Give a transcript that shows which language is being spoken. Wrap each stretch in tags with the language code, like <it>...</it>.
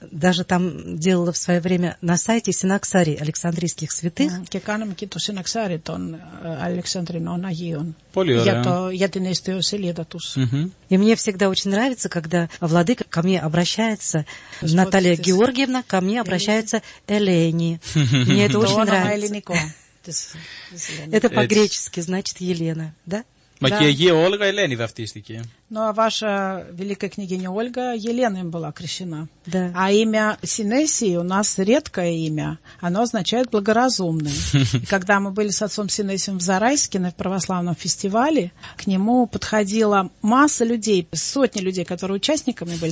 <ru>Даже там делала в свое время на сайте синаксарий Александрийских святых.</ru> <el>Και κάναμε και το συναξάρι των Αλεξανδρινών Αγίων. Πολύ ωραία. Για την ιστοσελίδα τους.</el> <ru>И мне всегда очень нравится, когда владыка ко мне обращается, Наталья Георгиевна ко мне обращается Элени. Мне это очень нравится. Это по-гречески, значит, Елена, да?</ru> <el>Μα και η Αγία Όλγα Ελένη βαφτίστηκε.</el> <ru>Но ваша великая княгиня Ольга Еленой была крещена. Да. А имя Синесии у нас редкое имя. Оно означает благоразумный. Когда мы были с отцом Синесием в Зарайске на православном фестивале, к нему подходила масса людей, сотни людей, которые участниками были.</ru>